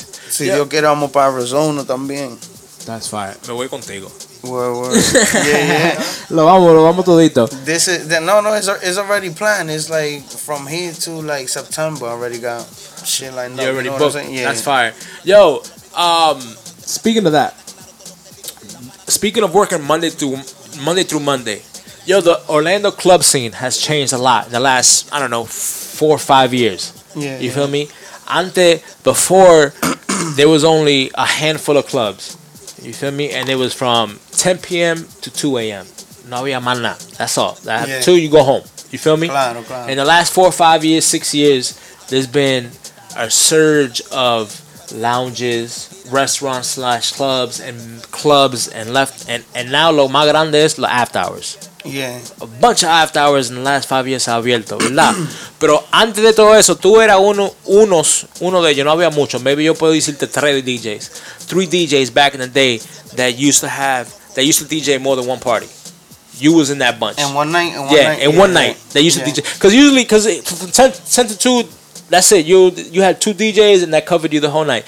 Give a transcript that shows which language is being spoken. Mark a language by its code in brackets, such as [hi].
[es] Si yo quiero, vamos para Arizona también. [en] That's fine. [es] Me voy contigo. [en] Word. Yeah. [es] Lo vamos todito. [en] This is it's already planned. It's like from here to like September. I already got shit lined up. You already, you know, booked. What I'm saying? Yeah. That's fire. Yo, speaking of that, speaking of working Monday through Monday, Yo, the Orlando club scene has changed a lot in the last, I don't know, 4 or 5 years. Yeah. You feel me? [es] Ante, [en] before, there was only a handful of clubs. You feel me? And it was from 10 p.m. to 2 a.m. [es] No había más nada. [en] That's all. That, yeah. Two, you go home. You feel me? [es] Claro, claro. [en] In the last 4 or 5 years, 6 years, there's been a surge of lounges, restaurants slash clubs and left. And now [es] lo más grande es la after hours. [en] Yeah. A bunch of after hours in the last 5 years [es] ha abierto, ¿verdad? Pero antes de todo eso, tú eras uno de ellos. No había mucho. [en] Maybe [es] yo puedo decirte [en] three DJs back in the day that used to DJ more than one party. You was in that bunch. And one night. They used to DJ. Because usually, from 10 to 2, that's it. You had two DJs and that covered you the whole night.